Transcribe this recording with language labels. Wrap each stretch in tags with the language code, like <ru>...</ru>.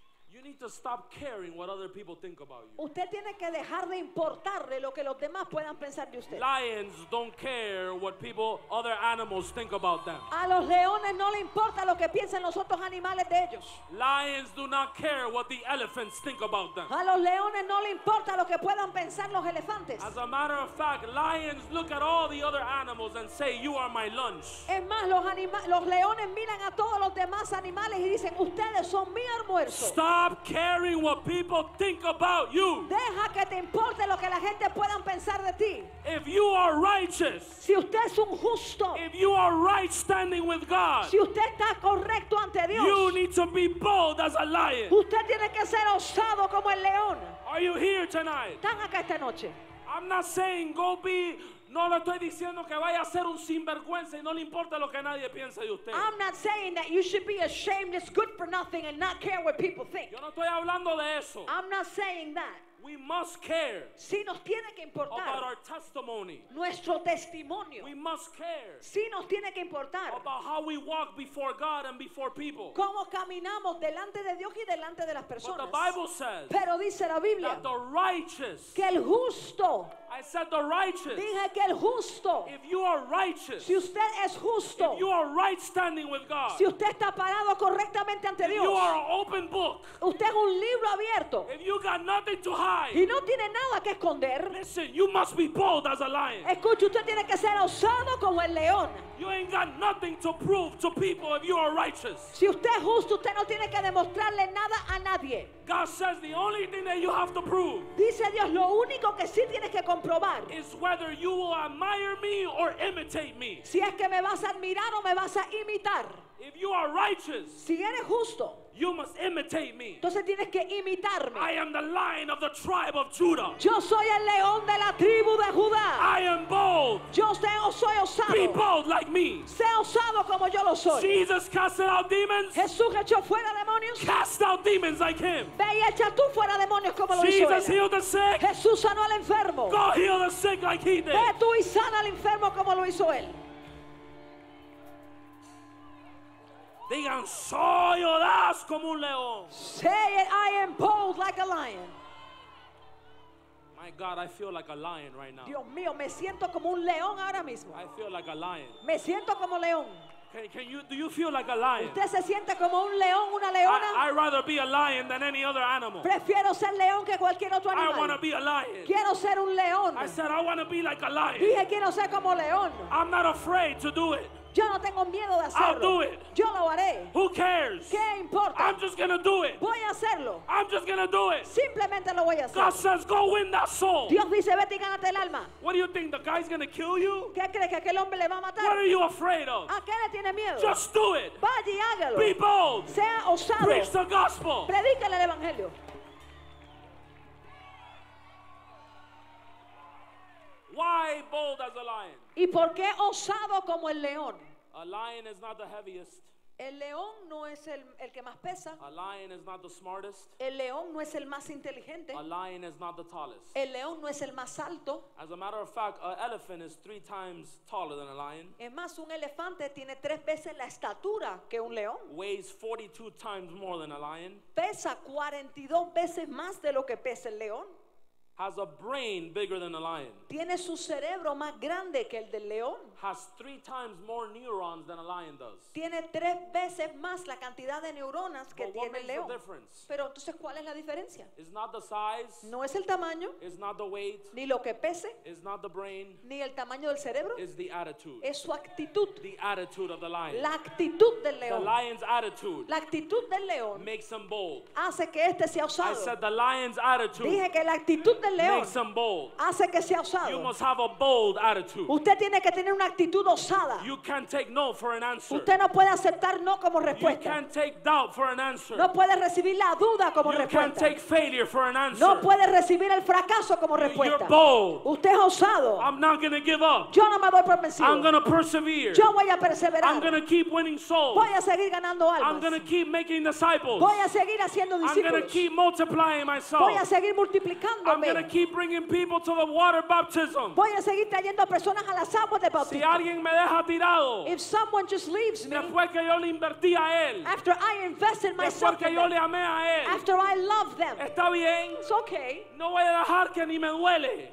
<en>You need to stop caring what other people think about you.</en> <es>Usted tiene que dejar de importarle lo que los demás puedan pensar de usted.</es> <en>Lions don't care what people, other animals think about them.</en> <es>A los leones no le importa lo que piensen los otros animales de ellos.</es> <en>Lions do not care what the elephants think about them.</en> <es>A los leones no le importa lo que puedan pensar los elefantes.</es> <en>As a matter of fact, lions look at all the other animals and say, "You are my lunch."</en> <es>Es más, los leones miran a todos los demás animales y dicen, "Ustedes son mi almuerzo."</es> <en>Stop caring what people think about you.</en> <es>Deja que te importe lo que la gente puedan pensar de ti.</es> <en>If you are righteous,</en> <es>si usted es un justo,</es> <en>if you are right standing with God,</en> <es>si usted está correcto ante Dios,</es> <en>you need to be bold as a lion.</en> <es>Usted tiene que ser osado como el león.</es> <en>Are you here tonight?</en> <es>¿Están acá esta noche?</es> <en>I'm not saying go be.</en> <es>No le estoy diciendo que vaya a ser un sinvergüenza y no le importa lo que nadie piense de usted.</es> <en>I'm not saying that you should be a shameless good for nothing and not care what people think.</en> <es>Yo no estoy hablando de eso.</es> <en>I'm not saying that. We must care.</en> <es>Si nos tiene que importar.</es> <en>About our testimony.</en> <es>Nuestro testimonio.</es> <en>We must care.</en> <es>Si nos tiene que importar.</es> <en>About how we walk before God and before people.</en> <es>Cómo caminamos delante de Dios y delante de las personas.</es> <en>But the Bible says.</en> <es>Pero dice la Biblia.</es> <en>That the righteous.</en> <es>Que el justo.</es> <en>I said the righteous.</en> <es>Dije que el justo.</es> <en>If you are righteous.</en> <es>Si usted es justo.</es> <en>If you are right standing with God.</en> <es>Si usted está parado correctamente ante</es> <en>if</en> <es>Dios.</es> <en>If you are an open book.</en> <es>Usted es un libro abierto.</es> <en>If you got nothing to hide.</en> <es>Y no tiene nada que esconder.</es> <en>Listen, you must be bold as a lion.</en> <es>Escuche, usted tiene que ser osado como el león.</es> <en>You ain't got nothing to prove to people if you are righteous.</en> <es>Si usted es justo, usted no tiene que demostrarle nada a nadie.</es> <en>God says the only thing that you have to prove.</en> <es>Dice Dios, lo único que sí tienes que comprobar.</es> <en>Is whether you will admire me or imitate me.</en> <es>Si es que me vas a admirar o me vas a imitar.</es> <en>If you are righteous.</en> <es>Si eres justo.</es> <en>You must imitate me.</en> <es>Entonces tienes que imitarme.</es> <en>I am the lion of the tribe of Judah.</en> <es>Yo soy el león de la tribu de Judá.</es> <en>I am bold.</en> <es>Yo soy osado.</es> <en>Be bold like me.</en> <es>Sé osado como yo lo soy.</es> <en>Jesus cast out demons.</en> <es>Jesús echó fuera demonios.</es> <en>Cast out demons like him.</en> <es>Ve y echa tú fuera demonios como lo hizo él.</es> <en>Jesus healed the sick.</en> <es>Jesús sanó al enfermo.</es> <en>Go heal the sick like he did.</en> <es>Ve tú y sana al enfermo como lo hizo él. Digan, soy audaz como un león.</es> <en>Say it, I am bold like a lion. My God, I feel like a lion right now.</en> <es>Dios mío, me siento como un león ahora mismo.</es> <en>I feel like a lion.</en> <es>Me siento como león.</es> <en>Can you feel like a lion?</en> <es>¿Usted se siente como un león, una leona?</es> <en>I'd rather be a lion than any other animal.</en> <es>Prefiero ser león que cualquier otro animal.</es> <en>I want to be a lion.</en> <es>Quiero ser un león.</es> <en>I said I want to be like a lion.</en> <es>Dije quiero ser como león.</es> <en>I'm not afraid to do it.</en> <es>Yo no tengo miedo de hacerlo.</es> <en>I'll do it.</en> <es>Yo lo haré.</es> <en>Who cares?</en> <es>¿Qué importa?</es> <en>I'm just gonna do it.</en> <es>Voy a hacerlo.</es> <en>I'm just gonna do it.</en> <es>Simplemente lo voy a hacer.</es> <en>God says, go win that soul.</en> <es>Dios dice, vete y gánate el alma.</es> <en>What do you think the guy's gonna kill you?</en> <es>¿Qué crees que aquel hombre le va a matar?</es> <en>What are you afraid of?</en> <es>¿A qué le tiene miedo?</es> <en>Just do it.</en> <es>Vaya y hágalo.</es> <en>Be bold.</en> <es>Sea osado.</es> <en>Preach the gospel.</en> <es>Predícale el evangelio.</es> <en>Why bold as a lion?</en> <es>¿Y por qué osado como el león?</es> <en>A lion is not the heaviest.</en> <es>El león no es el que más pesa.</es> <en>A lion is not the smartest.</en> <es>El león no es el más inteligente.</es> <en>A lion is not the tallest.</en> <es>El león no es el más alto.</es> <en>As a matter of fact, an elephant is three times taller than a lion.</en> <es>Es más, un elefante tiene tres veces la estatura que un león.</es> <en>Weighs 42 times more than a lion.</en> <es>Pesa 42 veces más de lo que pesa el león.</es> <en>Has a brain bigger than a lion.</en> <es>Tiene su cerebro más grande que el del león.</es> <en>Has three times more neurons than a lion does.</en> <es>Tiene tres veces más la cantidad de neuronas que</es> <en>But</en> <es>tiene el león.</es> <en>The difference?</en> <es>Pero entonces, ¿cuál es la diferencia?</es> <en>It's not the size.</en> <es>No es el tamaño.</es> <en>It's not the weight.</en> <es>Ni lo que pese.</es> <en>It's not the brain.</en> <es>Ni el tamaño del cerebro.</es> <en>It's the attitude.</en> <es>Es su actitud.</es> <en>The attitude of the lion.</en> <es>La actitud del león.</es> <en>The lion's attitude.</en> <es>La actitud del león.</es> <en>Makes him bold.</en> <es>Hace que este sea osado.</es> <en>I said the lion's attitude.</en> <es>Dije que la actitud del león</es> <en>makes him bold.</en> <es>Hace que sea osado.</es> <en>You must have a bold attitude.</en> <es>Usted tiene que tener una actitud osada.</es> <en>You can't take no for an answer.</en> <es>Usted no puede aceptar no como respuesta.</es> <en>You can't take doubt for an answer.</en> <es>No puede recibir la duda como</es> <en>you</en> <es>respuesta.</es> <en>You can't take failure for an answer.</en> <es>No puede recibir el fracaso como respuesta.</es> <en>You're bold.</en> <es>Usted es osado.</es> <en>I'm not gonna give up.</en> <es>Yo no me voy por vencido.</es> <en>I'm gonna persevere.</en> <es>Yo voy a perseverar.</es> <en>I'm gonna keep winning souls.</en> <es>Voy a seguir ganando almas.</es> <en>I'm gonna keep making disciples.</en> <es>Voy a seguir haciendo discípulos.</es> <en>I'm gonna keep multiplying myself.</en> <es>Voy a seguir multiplicándome.</es> <en>I'm gonna keep bringing people to the water baptism.</en> <es>Voy a seguir trayendo personas a las aguas de bautismo. Si alguien me deja tirado,</es> <en>if someone just leaves me,</en> <es>después que yo le invertí a él,</es> <en>after I invested myself,</en> <es>después que yo</es> <en>them,</en> <es>le amé a él,</es> <en>after I love them,</en> <es>está bien.</es> <en>It's okay.</en> <es>No voy a dejar que ni me duele.</es>